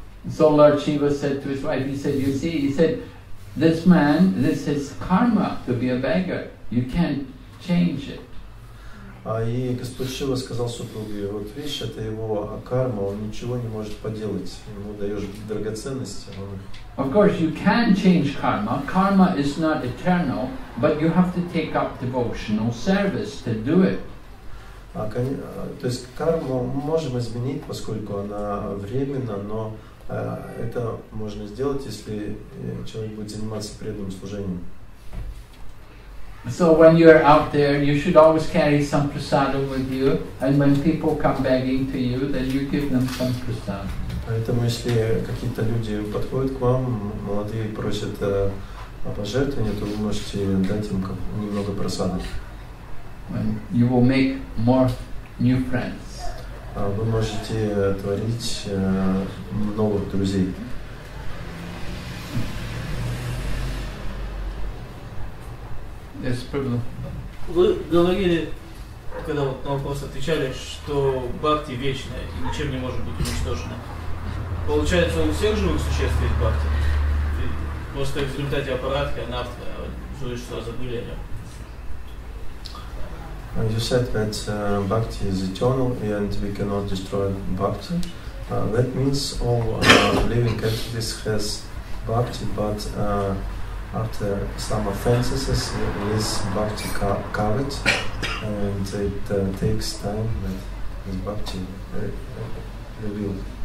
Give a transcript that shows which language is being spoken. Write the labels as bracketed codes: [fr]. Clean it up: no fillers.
[en] So Lord Shiva said to his wife, he said, you see, he said, this man, this is karma to be a beggar. You can't change it. [ru] И Господь Шива сказал супруге, вот вещь, это его карма, он ничего не может поделать. Ему даешь драгоценности, он их. [en] Of course, you can change karma. Karma is not eternal, but you have to take up devotional service to do it. [ru] То есть карму можем изменить, поскольку она временна, но это можно сделать, если человек будет заниматься преданным служением. [en] So when you are out there, you should always carry some prasadam with you, and when people come begging to you, then you give them some prasadam. [ru] Поэтому если какие-то люди подходят к вам, молодые просят о пожертвовании, то вы можете дать им немного просады. [en] and you will make more new friends. [ru] Вы можете творить новых друзей. Вы говорили, когда вот на вопрос отвечали, что Бхакти вечная и ничем не может быть уничтожена. Получается, у всех живых существ есть Бхакти? Просто в результате аппаратки, анартха, существа забыли о нем. [en] You said that Bhakti is eternal and we cannot destroy Bhakti. That means all living entities has Bhakti, but after some offenses, this Bhakti covered and it takes time that this Bhakti revealed.